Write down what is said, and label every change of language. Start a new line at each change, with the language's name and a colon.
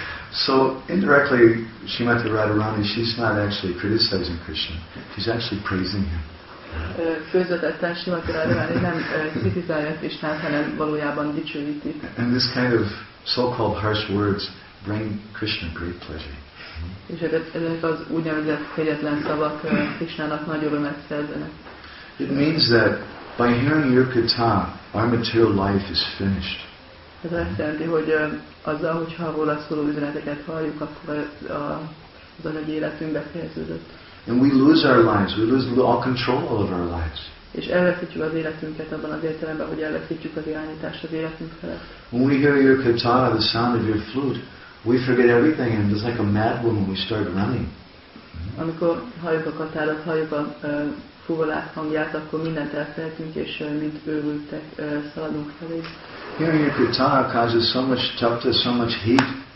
English: So indirectly, Srimati Radharani, she's not actually criticizing Krishna. She's actually praising him.
Hungarian: Közvetetten Srimati Radharani nem kritizálja Krisnát, hanem valójában dicsőíti.
English: And this kind of so-called harsh words bring Krishna great pleasure.
Hungarian: És ezek az úgynevezett kegyetlen szavak Krisnának nagy örömet szerzenek.
English: It means that by hearing your kata, our material life is finished.
Hungarian: Ez azt jelenti, hogy azzal, hogyha róla szóló üzeneteket halljuk, akkor az anyagi életünk befejeződött.
English: And we lose our lives. We lose all control over our lives.
Hungarian: És elveszítjük az életünket abban az értelemben, hogy elveszítjük az irányítást az életünk felett.
English: When we hear your kata, the sound of your flute, we forget everything, and it's like a mad woman. We start running.
Hungarian: Amikor halljuk a katádat, halljuk a fuvolák hangját, akkor mindent elfelejtünk, és mint őrültek szaladunk felé.
English: Hearing your kata causes so much tapta, so much heat.